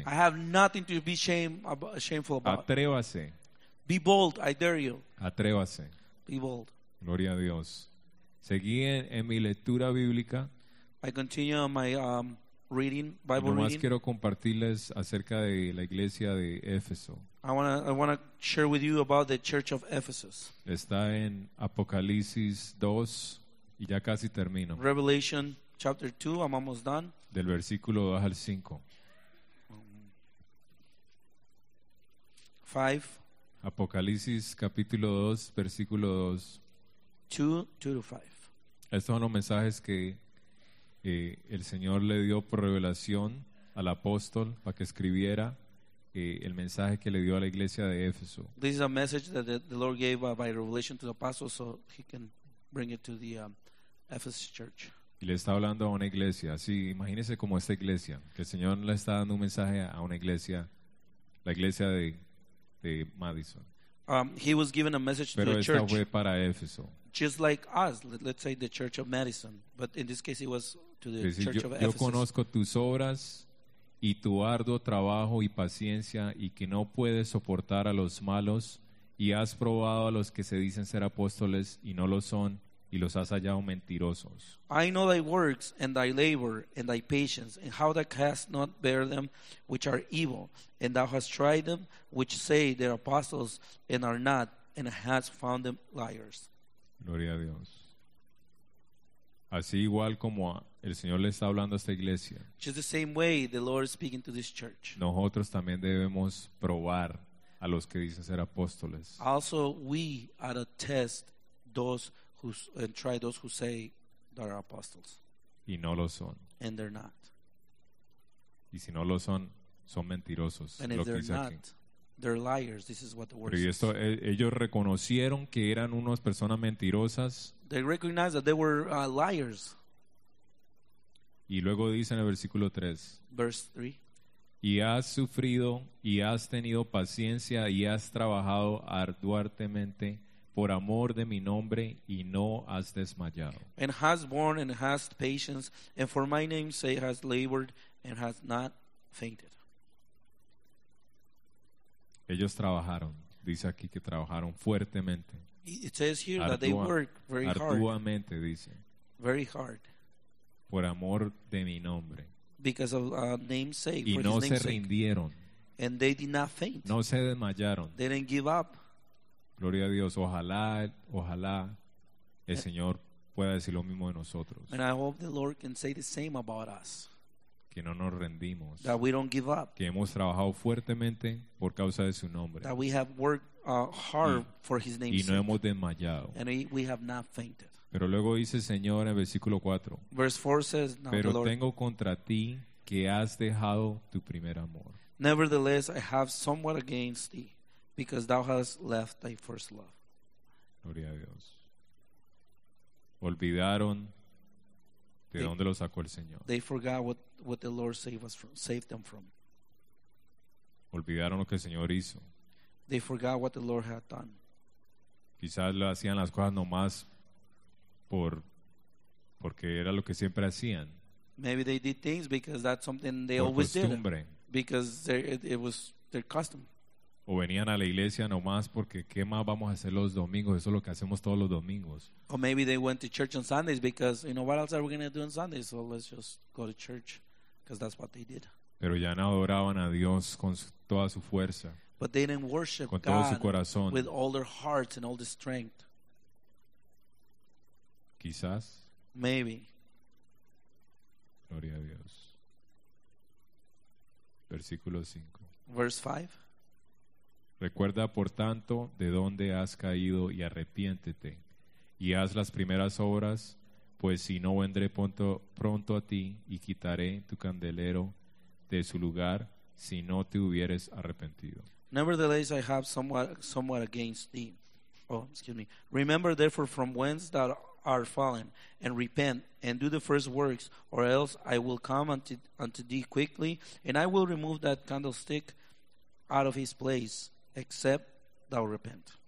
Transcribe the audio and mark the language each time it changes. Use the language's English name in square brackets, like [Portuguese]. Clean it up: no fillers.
[English] I have nothing to be shameful about. [Spanish] Atrévase. [English] Be bold. I dare you. [Spanish] Atrévase. [English] Be bold. [Spanish] Gloria a Dios. Seguí en mi lectura bíblica. [English] I continue on my reading, Bible [Spanish] nomás [English] reading. [Spanish] Nomás quiero compartirles acerca de la iglesia de Éfeso. [English] I wanna share with you about the church of Ephesus. [Spanish] Está en Apocalipsis 2 y ya casi termino. [English] Revelation chapter 2, I'm almost done. [Spanish] Del versículo 2 al 5. 5. Apocalipsis capítulo 2, versículo 2. [English] 2 to 5. [Spanish] Estos son los mensajes que el Señor le dio por revelación al apóstol para que escribiera el mensaje que le dio a la iglesia de Éfeso. [English] This is a message that the Lord gave by revelation to the apostle so he can bring it to the Ephesus church. [Spanish] Y le está hablando a una iglesia. Sí, imagínese como esta iglesia, que el Señor le está dando un mensaje a una iglesia, la iglesia de Madison. [English] He was given a message [Spanish] pero [English] to the church. [Spanish] Fue para Éfeso. [English] Just like us, let's say the church of Madison, but in this case it was to the church of Ephesus. [Spanish] Yo conozco tus obras y tu arduo trabajo y paciencia y que no puedes soportar a los malos y has probado a los que se dicen ser apóstoles y no lo son y los has hallado mentirosos. [English] I know thy works and thy labor and thy patience and how thou canst not bear them which are evil and thou hast tried them which say they're apostles and are not and hast found them liars. [Spanish] Gloria a Dios. Así igual como el Señor le está hablando a esta iglesia. [English] Just the same way the Lord is speaking to this church. [Spanish] Nosotros también debemos probar a los que dicen ser apóstoles. [English] Also we are to test those who and try those who say they are apostles. [Spanish] Y no lo son. [English] And they're not. [Spanish] Y si no lo son, son mentirosos. [English] And [Spanish] lo [English] if they're [Spanish] dice [English] not, [Spanish] aquí. [English] They're liars. This is what the word says. [Spanish] Ellos reconocieron que eran unas personas mentirosas. [English] They recognized that they were liars. [Spanish] Y luego dice en el versículo 3. [English] Verse [Spanish] 3. Y has sufrido y has tenido paciencia y has trabajado arduamente por amor de mi nombre y no has desmayado. [English] And has borne and has patience and for my name's sake has labored and has not fainted. [Spanish] Ellos trabajaron, dice aquí que trabajaron fuertemente. [English] It says here that they work very hard. [Spanish] Arduamente, dice. [English] Very hard. [Spanish] Por amor de mi nombre. [English] Because of namesake, [Spanish] y no se rindieron. [English] And they did not faint. [Spanish] No se desmayaron. [English] They didn't give up. [Spanish] Gloria a Dios. Ojalá el Señor pueda decir lo mismo de nosotros. [English] And I hope the Lord can say the same about us. [Spanish] que no nos rendimos, [English] that we don't give up, [Spanish] que hemos trabajado fuertemente por causa de su nombre, [English] that we have worked hard for his name's sake, [Spanish] y no hemos desmayado, [English] and we have not fainted. [Spanish] Pero luego dice el Señor en versículo 4, [English] verse 4 says, no, [Spanish] pero [English] the Lord, [Spanish] tengo contra ti que has dejado tu primer amor. [English] Nevertheless, I have somewhat against thee, because thou hast left thy first love. [Spanish] Gloria a Dios. Olvidaron de dónde lo sacó el Señor. [English] They forgot what the Lord saved them from. [Spanish] Olvidaron lo que el Señor hizo. [English] They forgot what the Lord had done. [Spanish] Quizás lo hacían las cosas nomás porque era lo que siempre hacían. [English] Maybe they did things because that's something they always [Spanish] costumbre. [English] Did. Because it was their custom. [Spanish] O venían a la iglesia nomás porque qué más vamos a hacer los domingos, eso es lo que hacemos todos los domingos. [English] Or maybe they went to church on Sundays because, you know, what else are we going to do on Sundays? So let's just go to church because that's what they did. [Spanish] Pero ya no adoraban a Dios con toda su fuerza. [English] But they didn't worship [Spanish] con todo [English] God [Spanish] su corazón. [English] With all their hearts and all the strength. [Spanish] Quizás. [English] Maybe. [Spanish] Gloria a Dios. Versículo 5. [English] Verse 5. [Spanish] Recuerda, por tanto, de dónde has caído y arrepiéntete, y haz las primeras obras, pues si no, vendré pronto a ti y quitaré tu candelero de su lugar si no te hubieres arrepentido. [English] Nevertheless, I have somewhat against thee. Remember therefore from whence thou art fallen, and repent, and do the first works, or else I will come unto thee quickly, and I will remove that candlestick out of his place, except thou repent.